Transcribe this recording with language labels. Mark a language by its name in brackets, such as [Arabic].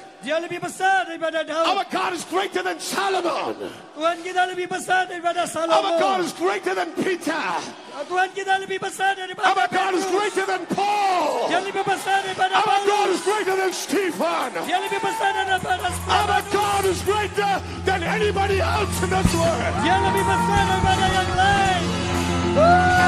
[Indonesian] Dia lebih besar daripada Daud. [English] Our God is greater than Solomon. [Indonesian] Tuhan kita lebih besar daripada Salomo. [English] Our God is greater than Peter. [Indonesian] Tuhan kita lebih besar daripada [English] Our God is greater than Paul. [Indonesian] Dia lebih besar daripada [English] Our Paulus. God is greater than Stephen. [Indonesian] Dia lebih besar daripada Stephen. [English] Our God is greater than anybody else in this world. [Indonesian] Dia lebih besar daripada yang lain.